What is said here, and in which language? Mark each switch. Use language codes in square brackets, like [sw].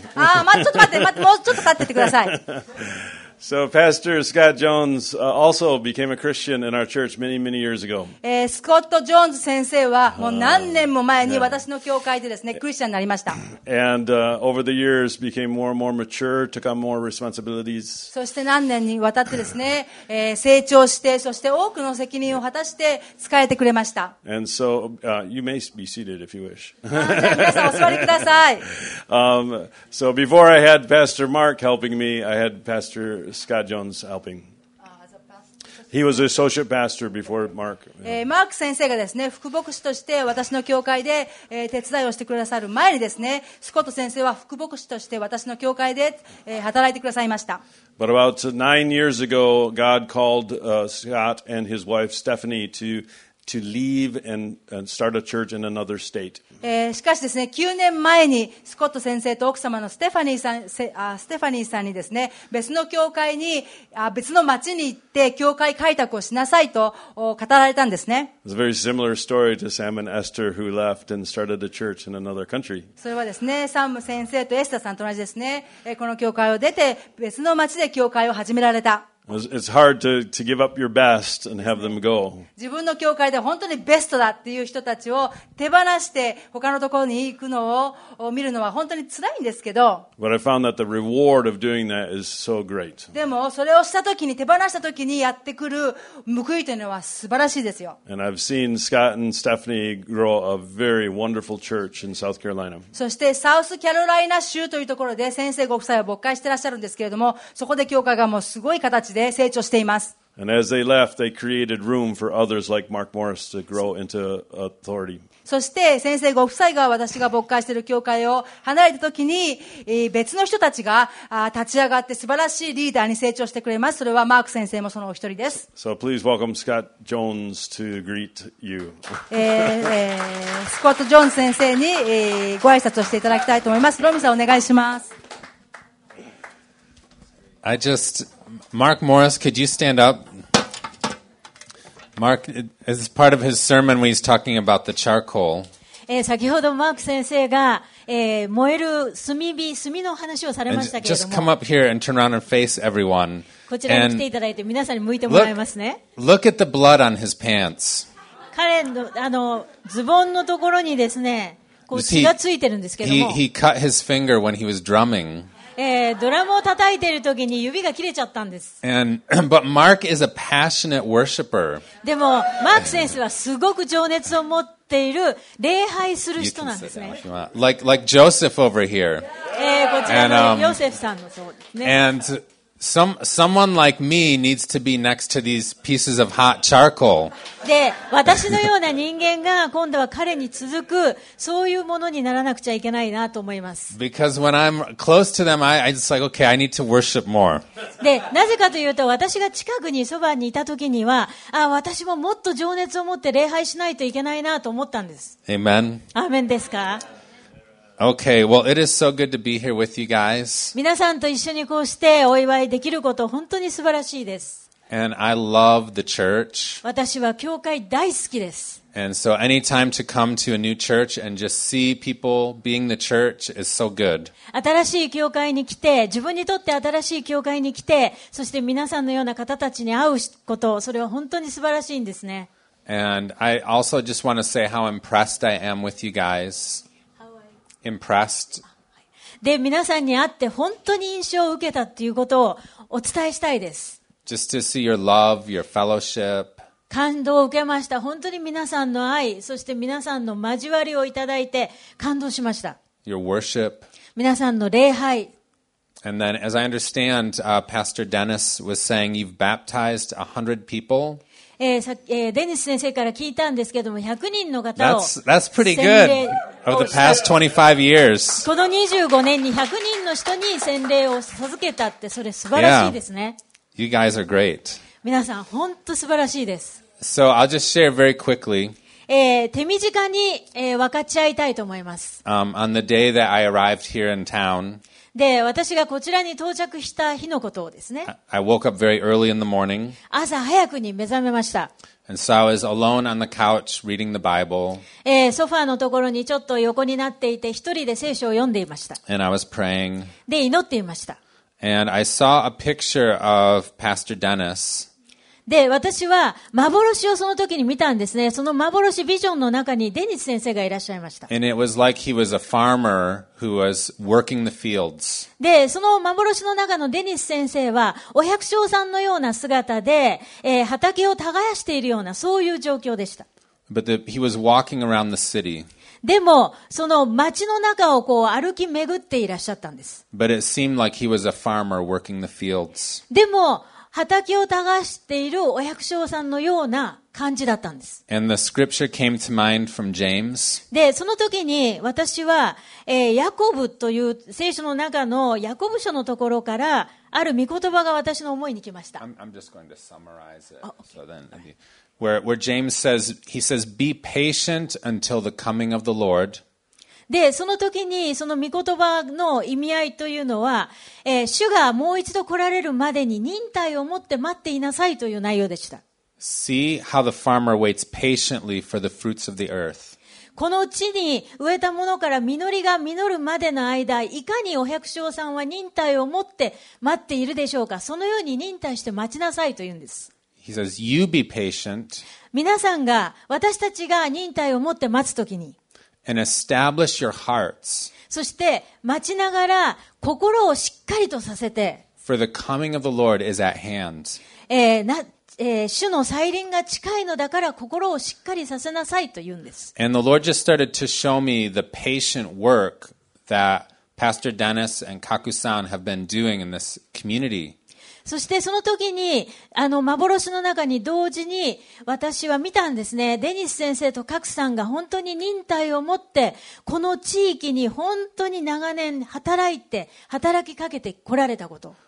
[ja] ああ、まあ、ちょっと待って、もうちょっと立っててください。 [en] So Pastor Scott Jones also became a Christian in our church many, many years ago. [ja] スコット・ジョーンズ先生はもう何年も前に私の教会でですね、クリスチャンになりました。 [en] And over the years became more and more mature, took on more responsibilities. [ja] そして何年にわたってですね、成長して、そして多くの責任を果たして仕えてくれました。 [en] And so, you may be seated if you wish. [ja] じゃあ皆さんお座りください。 [en] So before I had Pastor Mark helping me, I had Pastor... Scott Jones helping. He was an associate pastor before Mark. [ja] Mark 先生がですね、副牧師として私の教会で手伝いをしてくださる前にですね、スコット先生は副牧師として私の教会で働いてくださいました。 [en] But about 9 years ago, God called Scott and his wife Stephanie to leave and start a church in another state. [ja] しかしですね、9年前にスコット先生と奥様のステファニーさんにですね、別の教会に、別の町に行って教会開拓をしなさいと語られたんですね。 [en] It's a very similar story to Sam and Esther who left and started a church in another country. [ja] それはですね、サム先生とエスタさんと同じですね、この教会を出て別の町で教会を始められた。 [en] It's hard to give up your best and have them go. [ja] 自分の教会で本当にベストだっていう人たちを手放して他のところに行くのを見るのは本当に辛いんですけど。 [en] But I found that the reward of doing that is so great. [ja] でもそれをした時に手放した時にやってくる報いというのは素晴らしいですよ。 [en] And I've seen Scott and Stephanie grow a very wonderful church in South Carolina. [ja] そしてサウスカロライナ州というところで先生ご夫妻を牧会してらっしゃるんですけれども、そこで教会がもうすごい形で成長しています。 [en] And as they left, they created room for others like Mark Morris to grow into authority. [ja] そして先生ご夫妻が私が牧会している教会を離れた時に別の人たちが立ち上がって素晴らしいリーダーに成長してくれます。それはマーク先生もそのお一人です。 [en] So please welcome Scott Jones to greet you. [ja] スコット・ジョーンズ先生にご挨拶をしていただきたいと思います。ロミさんお願いします。 [en] I just... Mark Morris, could you stand up? Mark, as part of his sermon, when he's talking about the charcoal. [ja] 先ほどマーク先生が、燃える炭の話をされましたけれども。 [en] And just come up here and turn around and face everyone. [ja] こちらに来ていただいて皆さんに向いてもらいますね。 [en] Look at the blood on his pants. [ja] 彼のあのズボンのところにですね、こう血がついてるんですけども。 [en] He cut his finger when he was drumming. [ja] ドラムを叩いている時に指が切れちゃったんです。 [en] But Mark is a passionate worshipper. [ja] でも、マーク先生はすごく情熱を持っている礼拝する人なんですね。 [en] Like Joseph over here. [ja] こちらのヨセフさんのそうですね。 [en] And someone like me needs to be next to these pieces of hot charcoal. [ja] で、私のような人間が今度は彼に続くそういうものにならなくちゃいけないなと思います。 [en] Because when I'm close to them, I just like, okay, I need to worship more. [ja] で、なぜかというと私が近くにそばにいた時には、あ、私ももっと情熱を持って礼拝しないといけないなと思ったんです。 [en] Amen. [ja] アーメンですか？ [en] Okay, well, it is so good to be here with you guys. [ja] 皆さんと一緒にこうしてお祝いできること本当に素晴らしいです。 [en] And I love the church. [ja] 私は教会大好きです。 [en] And so anytime to come to a new church and just see people being the church is so good. [ja] 新しい教会に来て、自分にとって新しい教会に来て、そして皆さんのような方たちに会うこと、それは本当に素晴らしいんですね。 [en] And I also just want to say how impressed I am with you guys. Impressed. [ja] で皆さんに会って本当に印象を受けたっていうことをお伝えしたいです。 [en] Just to see your love, your fellowship. [ja] 感動を受けました。本当に皆さんの愛、そして皆さんの交わりをいただいて感動しました。 [en] Your worship. [ja] 皆さんの礼拝。 [en] And then, as I understand, Pastor Dennis was saying you've baptized 100 people. [ja] デニス先生から聞いたんですけども100人の方を [en] That's pretty good. Over the past 25 years. [ja] この25年に100人の人に洗礼を授けたってそれ素晴らしいですね。 [en] Yeah. You guys are great. [ja] 皆さん本当素晴らしいです。 [en] So I'll just share very quickly. [ja] 手短に、分かち合いたいと思います。 [en] On the day that I arrived here in town. [ja] で、私がこちらに到着した日のことをですね。 [en] I woke up very early in the morning. [ja] 朝早くに目覚めました。 [en] And so I was alone on the couch reading the Bible. [ja] ソファーのところにちょっと横になっていて、一人で聖書を読んでいました。 [en] And I was praying. [ja] で、祈っていました。 [en] And I saw a picture of Pastor Dennis. [ja] で私は幻をその時に見たんですね。その幻ビジョンの中にデニス先生がいらっしゃいました。 [en] And it was like he was a farmer who was working the fields. [ja] でその幻の中のデニス先生はお百姓さんのような姿で、畑を耕しているようなそういう状況でした。 [en] But he was walking around the city. [ja] でもその街の中をこう歩き巡っていらっしゃったんです。 [en] But it seemed like he was a farmer working the fields. [ja] でも畑を耕しているお百姓さんのような感じだったんです。 [en] And the scripture came to mind from James. [ja] で、その時に私は、ヤコブという聖書の中のヤコブ書のところからある御言葉が私の思いに来ました。 [en] I'm just going to summarize it. So then, where James says, he says, be patient until the coming of the Lord. [ja] でその時にその御言葉の意味合いというのは、主がもう一度来られるまでに忍耐を持って待っていなさいという内容でした。 [en] See how the farmer waits patiently for the fruits of the earth. [ja] この地に植えたものから実りが実るまでの間、いかにお百姓さんは忍耐を持って待っているでしょうか。そのように忍耐して待ちなさいと言うんです。 [en] He says, you be patient. [ja] 皆さんが、私たちが忍耐を持って待つときに、 [en] And establish your hearts. [ja] そして待ちながら心をしっかりとさせて、 [en] For the coming of the Lord is at hand. [ja] 主の再臨が近いのだから心をしっかりさせなさいと言うんです。 [en] And the Lord just started to show me the patient work that Pastor Dennis and Kaku-san have been doing in this community. [ja] そしてその時に、あの幻の中に同時に私は見たんですね。デニス先生とカクさんが本当に忍耐を持ってこの地域に本当に長年働いて働きかけてこられたこと。